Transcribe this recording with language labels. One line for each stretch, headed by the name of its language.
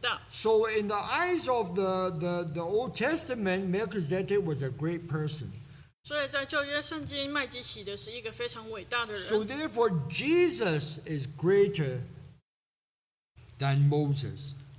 English: So in the eyes of the Old Testament, Melchizedek was a great person.
Chinese: 所以在旧约圣经，麦基喜德是一个非常伟大的人。
English: So therefore, Jesus is greater than Moses.